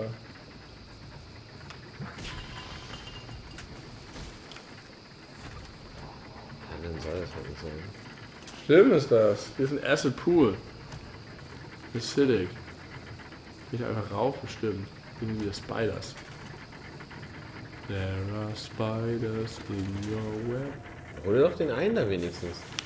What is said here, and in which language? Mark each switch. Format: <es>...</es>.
<de>Ja, dann soll das halt nicht sein. Schlimm ist das. Hier ist ein Acid Pool. Acidic. Geht einfach rauf, bestimmt. Irgendwie der Spiders.</de> <en>There are spiders in your web.</en> <de>Hol doch den einen da wenigstens.</de>